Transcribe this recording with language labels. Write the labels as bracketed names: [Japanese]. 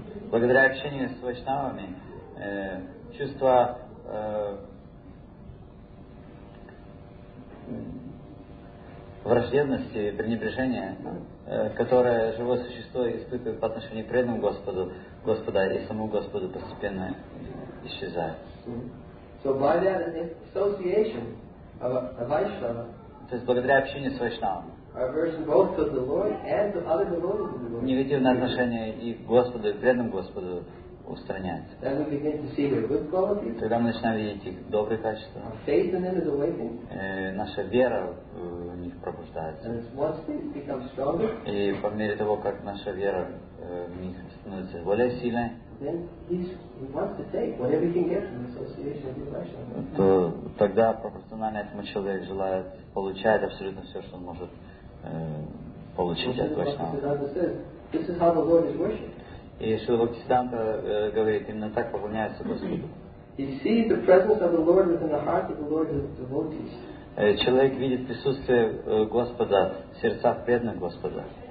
[Russian] Благодаря общению с вайшнавами чувство враждебности и пренебрежения, которое живое существо испытывает по отношению к преданному Господу, Господа и самому Господу, постепенно исчезает. [English] So by that association of a Vaishnava, [Russian] то есть благодаря общению с вайшнавом, [English] our aversion both to the Lord and to other devotees of the Lord, [Russian] негативное отношение и к Господу, и к преданному Господу устраняется. [English] Then we begin to see their good qualities. [Russian] Тогда мы начинаем видеть их добрые качества. [English] Our faith in them is awakened. [Russian] Наша вера в них пробуждается. [English] And once faith becomes stronger, [Russian] и по мере того, как наша вера в них становится более сильной, [English] then he wants to take whatever he can get from the association of the Vaishnava. [Russian] То тогда пропорционально этому человек желает получать абсолютно все, что он может получить от Вайшнава. [English] This is how the Lord is worshipped. [Russian] И Шрила Бхактисиддханта говорит, именно так поклоняется Господу. Человек видит присутствие Господа в сердцах преданных Господа.